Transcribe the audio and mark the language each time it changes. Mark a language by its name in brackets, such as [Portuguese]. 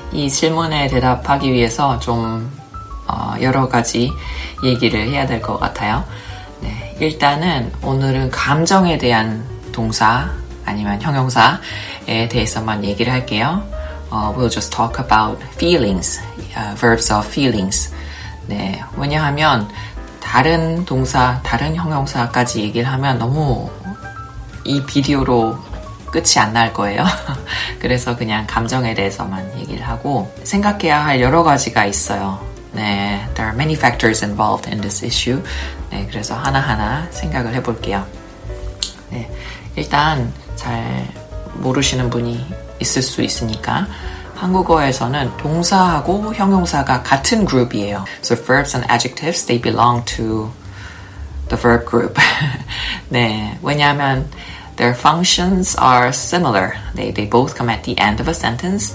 [Korean] 이 질문에 대답하기 위해서 좀 여러 가지 얘기를 해야 될 것 같아요. 네. 일단은 오늘은 감정에 대한 동사 아니면 형용사에 대해서만 얘기를 할게요. [English] We'll just talk about feelings, verbs of feelings. [Korean] 네, 왜냐하면 다른 동사, 다른 형용사까지 얘기를 하면 너무 이 비디오로 끝이 안 날 거예요. 그래서 그냥 감정에 대해서만 얘기를 하고 생각해야 할 여러 가지가 있어요. [English] 네, there are many factors involved in this issue. [Korean] 네, 그래서 하나하나 생각을 해볼게요. 네, 일단 잘 모르시는 분이 있을 수 있으니까 한국어에서는 동사하고 형용사가 같은 그룹이에요. [English] So verbs and adjectives, they belong to the verb group. 네, [Korean] 왜냐하면 [English] their functions are similar. They both come at the end of a sentence.